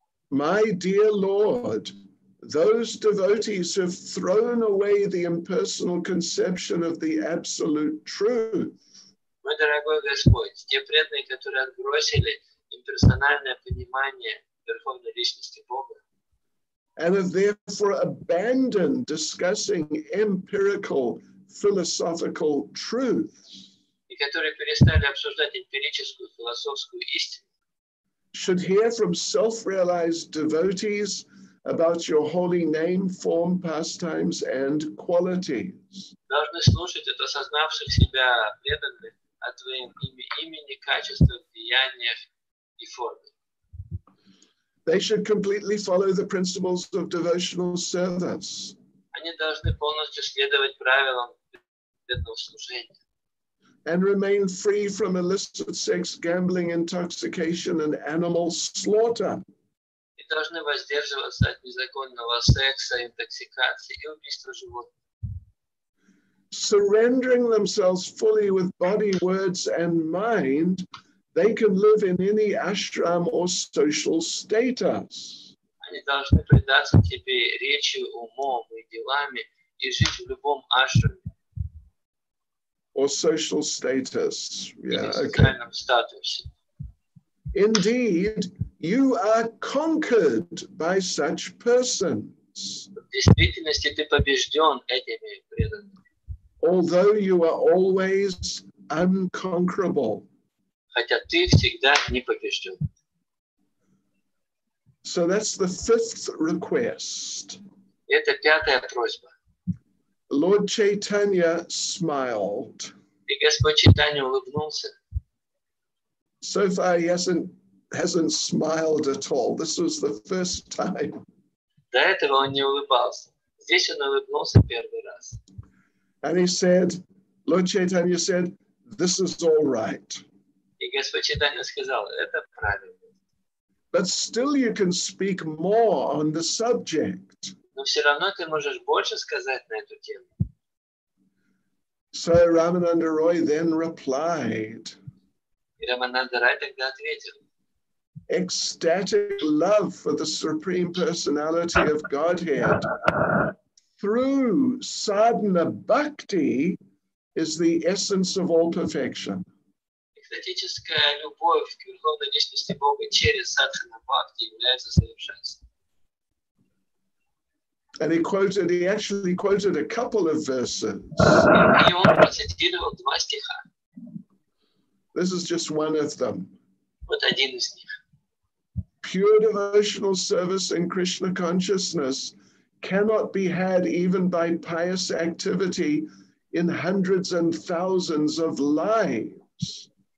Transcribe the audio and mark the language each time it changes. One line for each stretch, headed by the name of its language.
English: My dear Lord, those devotees have thrown away the impersonal conception of the absolute truth.
Russian: Мой дорогой Господь, те преданные, которые отбросили имперсональное понимание Верховной Личности Бога,
English: and have therefore abandoned discussing empirical philosophical truths,
Russian: и которые перестали обсуждать эмпирическую философскую истину,
English: should hear from self-realized devotees about your holy name, form, pastimes, and qualities.
Russian: Должны слушать от осознавших себя преданных о твоем имени, качествах, деяниях и форме.
English: They should completely follow the principles of devotional service.
Russian: Они должны полностью следовать правилам преданного служения.
English: And remain free from illicit sex, gambling, intoxication, and animal slaughter.
Russian: И должны воздерживаться от незаконного секса, интоксикации и убийства животных.
English: Surrendering themselves fully with body, words, and mind, they can live in any ashram or social status.
Russian: Они должны предаться тебе речи, умом и делами и жить в любом ашраме.
English: Or social status. Yeah, okay.
Russian: Социальном статусе.
English: Indeed, you are conquered by such persons.
Russian: В действительности ты побежден этими преданными.
English: Although you are always unconquerable.
Russian: Хотя ты всегда непобежден.
English: So that's the fifth request.
Russian: Это пятая просьба.
English: Lord Chaitanya smiled.
Russian: И Господь Чайтанья улыбнулся.
English: So far he hasn't smiled at all. This was the first time.
Russian: До этого он не улыбался. Здесь он улыбнулся первый раз.
English: And he said, Lord Chaitanya said, this is all right.
Russian: И Господь Чайтанья сказал, это правильно.
English: But still you can speak more on the subject.
Russian: Но все равно ты можешь больше сказать на эту тему.
English: So Рамананда Рой then replied.
Russian: И Рамананда Рой тогда ответил.
English: Ecstatic love for the Supreme Personality of Godhead. Through sadhana bhakti is the essence of all perfection.
Russian: Экстатическая любовь к Верховной Личности Бога через садхана бхакти является совершенством.
English: And he actually quoted a couple of verses.
Russian: И он процитировал два стиха.
English: This is just one of them.
Russian: Вот один из них.
English: Pure devotional service in Krishna consciousness cannot be had even by pious activity in hundreds and thousands of lives.